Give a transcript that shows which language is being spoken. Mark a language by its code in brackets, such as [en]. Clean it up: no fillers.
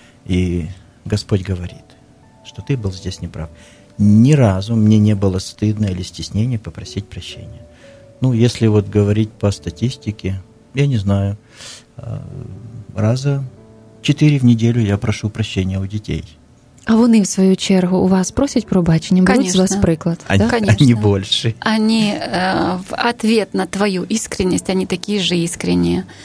[ru] И Господь говорит, что ты был здесь неправ. Ни разу мне не было стыдно или стеснения попросить прощения. Ну, если вот говорить по статистике, я не знаю, раза 4 в неделю я прошу прощения у детей. [uk] А вони, в свою чергу, у вас просять пробачення? Беруть конечно. З вас приклад? [ru] Они, да? Конечно. Они больше. Они в ответ на твою искренність, они такие же искренние.